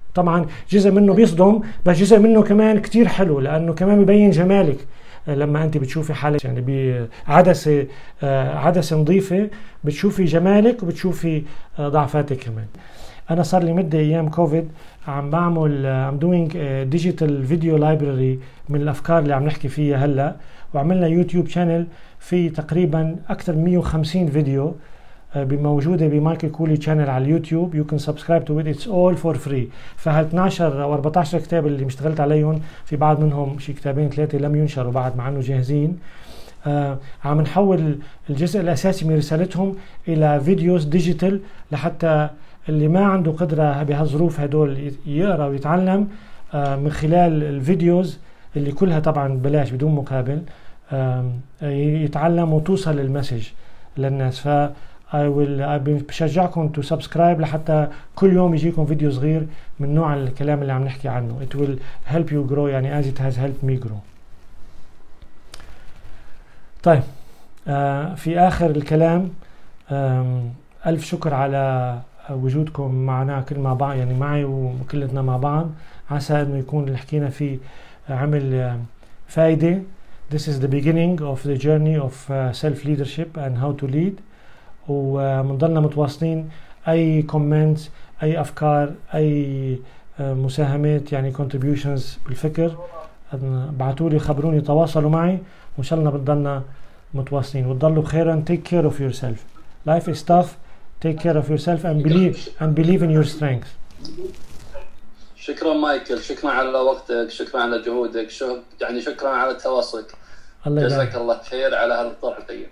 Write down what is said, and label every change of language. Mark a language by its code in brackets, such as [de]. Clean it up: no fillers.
[ar] طبعا جزء منه بيصدم بس جزء منه كمان كتير حلو، لانه كمان بيبين جمالك لما انت بتشوفي حالك يعني بعدسة نظيفة، بتشوفي جمالك وبتشوفي ضعفاتك كمان. انا صار لي مدة ايام كوفيد عم بعمل [en] I'm doing digital video library [ar] من الافكار اللي عم نحكي فيها هلا، وعملنا يوتيوب شانل في تقريبا اكثر 150 فيديو بموجودة بمايكل كولي شانل على اليوتيوب. [en] you can subscribe to it it's all for free. [ar] فهال 12 او 14 كتاب اللي مشتغلت عليهم، في بعض منهم شي كتابين ثلاثة لم ينشروا بعد مع انه جاهزين، عم نحول الجزء الاساسي من رسالتهم الى فيديوز ديجيتال لحتى اللي ما عنده قدرة بهالظروف هدول يقرأ ويتعلم من خلال الفيديوز اللي كلها طبعا بلاش بدون مقابل، يتعلم وتوصل المسج للناس. ف بشجعكم [en] to subscribe [ar] لحتى كل يوم يجيكم فيديو صغير من نوع الكلام اللي عم نحكي عنه. [en] it will help you grow [ar] يعني [en] as it has helped me grow. [ar] طيب في آخر الكلام ألف شكر على وجودكم معنا كل ما بعض يعني معي وكلتنا مع بعض، عسى إنه يكون اللي حكينا فيه عمل فائدة. [en] this is the beginning of the journey of self leadership and how to lead. [ar] ومنضلنا متواصلين، اي كومنت اي افكار اي مساهمات يعني contributions بالفكر بعتولي خبروني تواصلوا معي، وان شاء الله بنضلنا متواصلين وتضلوا بخير. [en] take care of yourself life is tough take care of yourself and believe in your strength. [ar] شكرا مايكل، شكرا على وقتك، شكرا على جهودك، يعني شكرا على تواصلك. الله يجزاك الله خير على هذا الطرح الطيب.